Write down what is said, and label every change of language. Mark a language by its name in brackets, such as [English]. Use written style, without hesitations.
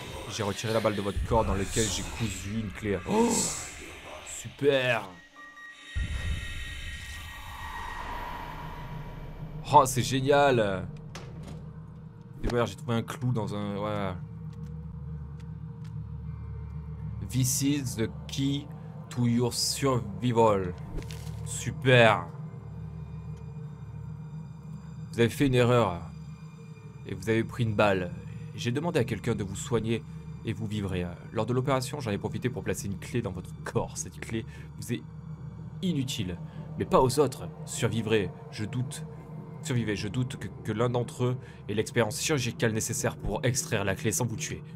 [French] J'ai retiré la balle de votre corps dans lequel j'ai cousu une clé. Oh, super! Oh, c'est génial! Et voilà, j'ai trouvé un clou dans un. Voilà. [English] This is the key to your survival. [French] Super! Vous avez fait une erreur. Et vous avez pris une balle. J'ai demandé à quelqu'un de vous soigner et vous vivrez. Lors de l'opération, j'en ai profité pour placer une clé dans votre corps. Cette clé vous est inutile. Mais pas aux autres. Survivrez, je doute. Survivez, je doute que l'un d'entre eux ait l'expérience chirurgicale nécessaire pour extraire la clé sans vous tuer.